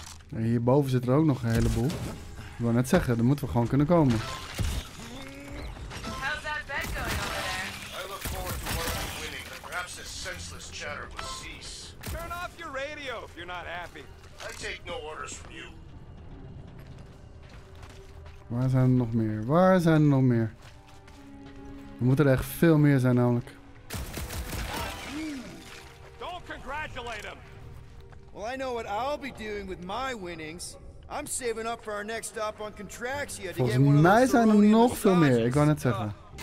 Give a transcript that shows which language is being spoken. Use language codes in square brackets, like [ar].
[nl] En hierboven zit er ook nog een heleboel. Ik wou net zeggen, dan moeten we gewoon kunnen komen. [en] How's that bed going over there? I look forward to working winning, but perhaps this senseless chatter will cease. Turn off your radio if you're not happy. I take no orders from you. [nl] Waar zijn er nog meer? Waar zijn er nog meer? Er moeten er echt veel meer zijn namelijk. [en] Don't congratulate him. Well, I know what I'll be doing with my winnings. I'm saving up for our next stop on Contraxia. [nl] Volgens mij zijn er nog veel meer. Ik wou net zeggen.